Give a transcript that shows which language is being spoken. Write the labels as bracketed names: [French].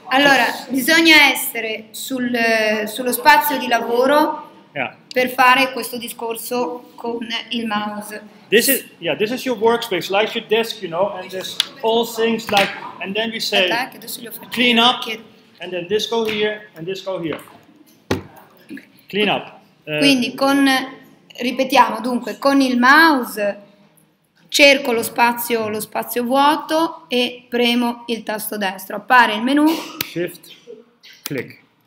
[Italian] Allora, bisogna essere sullo spazio di lavoro per fare questo discorso con il mouse. [English] This is your workspace, like your desk, you know, and there's all things like, and then we say, clean up, and then this go here, and this go here. Clean up. [Italian] Quindi ripetiamo, dunque, con il mouse cerco lo spazio vuoto e premo il tasto destro. Appare il menu. [English] Shift, click.